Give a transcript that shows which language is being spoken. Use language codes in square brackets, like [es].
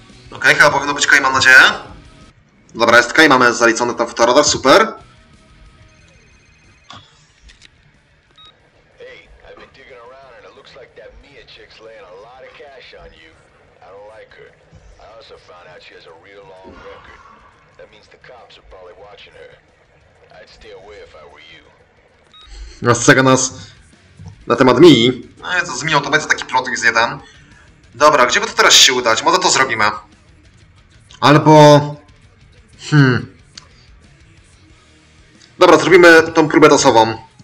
[pl] Okej, chyba powinno być kaj, mam nadzieję. Dobra, jest kaj, mamy zaliczony tam fotoradar, super. [en] Hey, I've been digging around and it looks like that Mia chick's laying a lot of cash on you. I don't like her. I also found out she has a real long record. That means the cops are probably watching her. I'd stay away if I were you. [pl] Rozstrzega nas na temat Mii. No i co z Mią, to będzie taki plot z jeden. Dobra, gdzie by to teraz się udać? Może to zrobimy. Albo... Dobra, zrobimy tą próbę dosową.